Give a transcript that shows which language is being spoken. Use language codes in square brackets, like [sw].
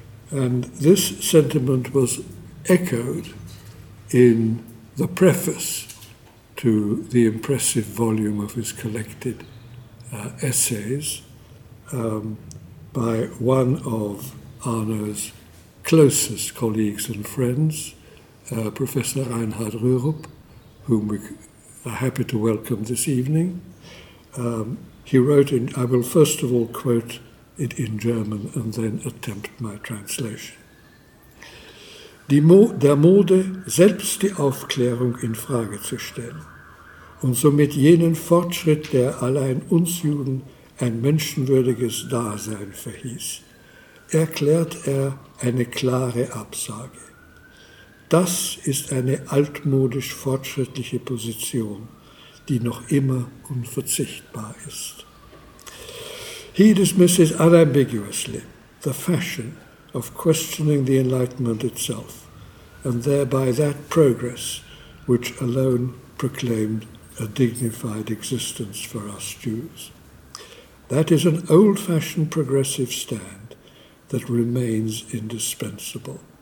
[en] And this sentiment was echoed in the preface to the impressive volume of his collected essays by one of Arno's closest colleagues and friends, Professor Reinhard Rürup, whom we are happy to welcome this evening. He wrote, I will first of all quote it in German and then attempt my translation. [de] "Der Mode, selbst die Aufklärung in Frage zu stellen und somit jenen Fortschritt, der allein uns Juden ein menschenwürdiges Dasein verhieß, erklärt er eine klare Absage. Das ist eine altmodisch fortschrittliche Position, die noch immer unverzichtbar ist. [en] He dismisses unambiguously the fashion of questioning the Enlightenment itself, and thereby that progress which alone proclaimed a dignified existence for us Jews. That is an old-fashioned progressive stand that remains indispensable."